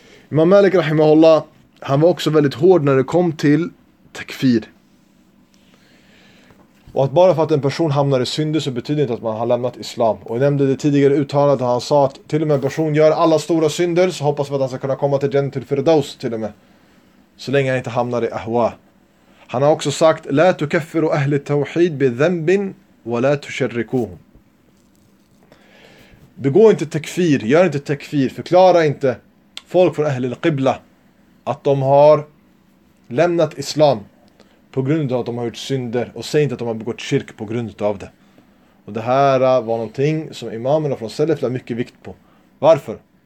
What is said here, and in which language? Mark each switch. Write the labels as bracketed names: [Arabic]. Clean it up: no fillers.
[Swedish] Imam Malik rahimahullah, han var också väldigt hård när det kom till takfir. Och att bara för att en person hamnar i synder så betyder inte att man har lämnat islam. Och jag nämnde det tidigare uttalandet att han sa att till och med en person gör alla stora synder så hoppas vi att han ska kunna komma till Jannah till Firdaus till och med. Så länge han inte hamnar i ahwa. Han har också sagt [Arabic] لا تكفروا أهل التوحيد بذنب ولا تشركوهم. [Swedish] Begå inte takfir, gör inte takfir, förklara inte folk från Ahl al-Qibla att de har lämnat islam. På grund av att de har gjort synder. Och säg inte att de har begått kyrk på grund av det. Och det här var någonting som imamerna från Salaf la mycket vikt på. Varför?